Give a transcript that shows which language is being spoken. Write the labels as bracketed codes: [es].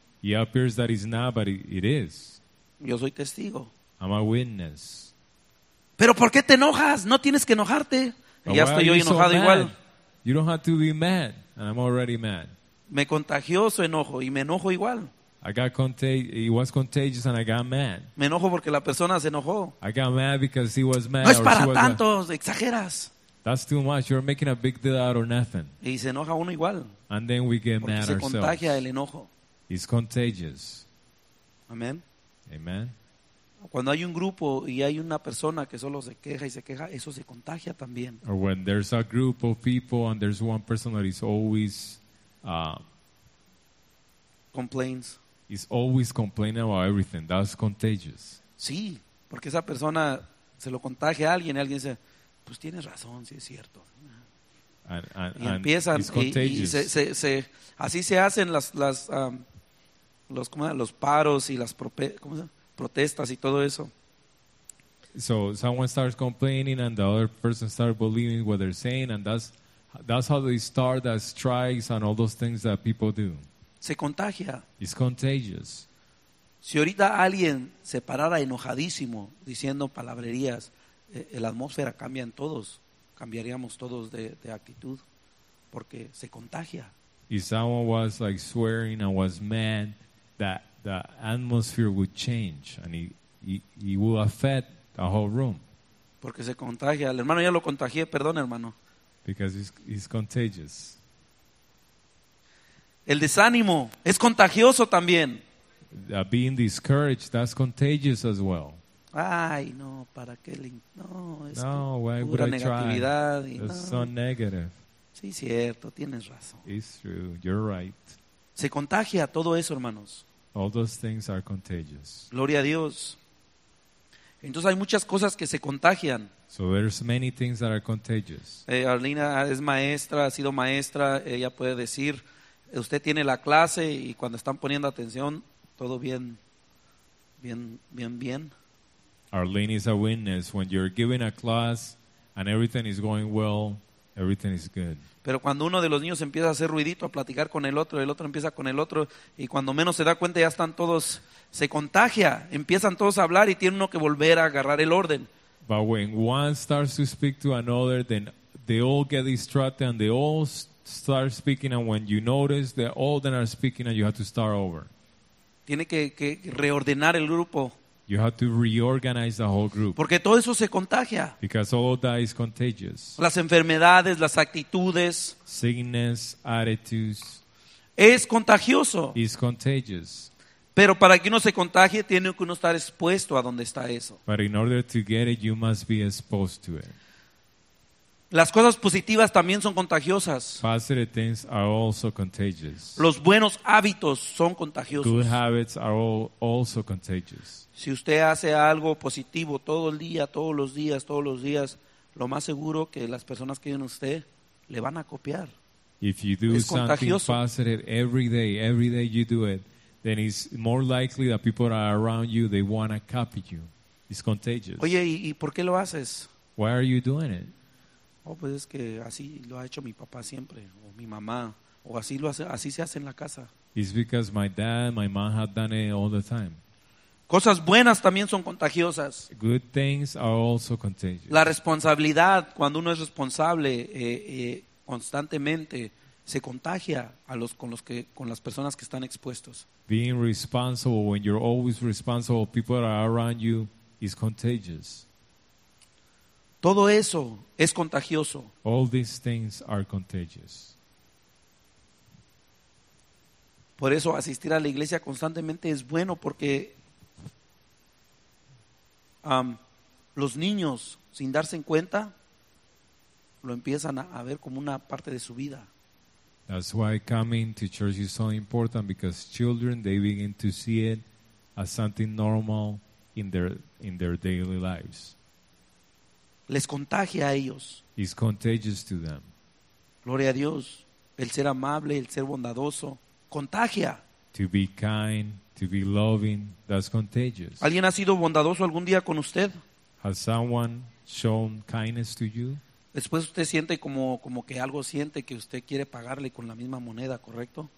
[en] It appears that it's not, but it is. [es] Yo soy testigo. [en] I'm a witness. [es] Pero ¿por qué te enojas? No tienes que enojarte. Y ya estoy yo enojado igual. [en] You don't have to be mad, and I'm already mad. [es] Me contagió su enojo y me enojo igual. [en] I got it was contagious and I got mad. [es] Me enojo porque la persona se enojó. [en] I got mad because he was mad. [es] No es para tanto, exageras. [en] That's too much. You're making a big deal out of nothing. [es] Y se enoja uno igual. [en] And then we get mad ourselves. [es] Porque se contagia el enojo. [en] It's contagious. Amen. Amen. [es] Cuando hay un grupo y hay una persona que solo se queja y se queja, eso se contagia también. [en] Or when there's a group of people and there's one person that is always complains. Is always complaining about everything. That's contagious. [es] Sí, porque esa persona se lo contagia a alguien y alguien dice, pues tienes razón, sí es cierto. [en] And [es] y empiezan y se así se hacen los paros y las protestas y todo eso. [en] So someone starts complaining and the other person starts believing what they're saying and that's how they start the strikes and all those things that people do. [es] Se contagia. [en] It's contagious. [es] Si ahorita alguien se parara enojadísimo diciendo palabrerías, la atmósfera cambia en todos. Cambiaríamos todos de actitud porque se contagia. [en] If someone was like swearing and was mad, that the atmosphere would change and it would affect the whole room. [es] Porque se contagia. El hermano ya lo contagié, perdón, hermano. [en] Because it's contagious. [es] El desánimo es contagioso también. [en] Being discouraged, that's contagious as well. [es] Ay, no, para qué no, es no, [en] why [es] pura [en] would I [es] negatividad. [en] Try? That's no. So negative. [es] Sí, cierto, tienes razón. [en] It's true, you're right. [es] Se contagia todo eso, hermanos. [en] All those things are contagious. [es] Gloria a Dios. Entonces hay muchas cosas que se contagian. [en] So there's many things that are contagious. [es] Arlina es maestra, ha sido maestra, ella puede decir, usted tiene la clase y cuando están poniendo atención, todo bien, bien, bien, bien. [en] Arlene is a witness. When you're giving a class and everything is going well, everything is good. [es] Pero cuando uno de los niños empieza a hacer ruidito, a platicar con el otro empieza con el otro, y cuando menos se da cuenta ya están todos, se contagia, empiezan todos a hablar y tiene uno que volver a agarrar el orden. [en] But when one starts to speak to another, then they all get distracted and they all start speaking, and when you notice that all of them are speaking, and you have to start over. Tiene que reordenar el grupo. You have to reorganize the whole group. [es] Porque todo eso se contagia. [en] Because all of that is contagious. [es] Las enfermedades, las actitudes. [en] Sickness, attitudes. [es] Es contagioso. [en] Is contagious. [es] Pero para que uno se contagie, tiene que uno estar expuesto a donde está eso. [en] But in order to get it, you must be exposed to it. [es] Las cosas positivas también son contagiosas. [en] Positive things are also contagious. [es] Los buenos hábitos son contagiosos. [en] Good habits are also contagious. [es] Si usted hace algo positivo todo el día, todos los días, lo más seguro que las personas que viven usted le van a copiar. [en] If you do [es] es contagioso. [en] Something positive every day you do it, then it's more likely that people are around you, they want to copy you. It's contagious. [es] Oye, ¿y por qué lo haces? [en] Why are you doing it? [es] Oh, pues es que así lo ha hecho mi papá siempre, o mi mamá, o así lo hace, así se hace en la casa. [en] It's because my dad, my mom have done it all the time. [es] Cosas buenas también son contagiosas. [en] Good things are also contagious. [es] La responsabilidad, cuando uno es responsable, constantemente se contagia a los con los que con las personas que están expuestos. [en] Being responsible, when you're always responsible, people that are around you is contagious. [es] Todo eso es contagioso. [en] All these things are contagious. [es] Por eso asistir a la iglesia constantemente es bueno porque los niños, sin darse en cuenta, lo empiezan a ver como una parte de su vida. [en] That's why coming to church is so important because children, they begin to see it as something normal in their daily lives. [es] Les contagia a ellos. [en] It's contagious to them. [es] Gloria a Dios. El ser amable, el ser bondadoso, contagia. [en] To be kind, to be loving, that's contagious. [es] ¿Alguien ha sido bondadoso algún día con usted? [en] Has someone shown kindness to you? [es] Después usted siente como que algo siente que usted quiere pagarle con la misma moneda, ¿correcto?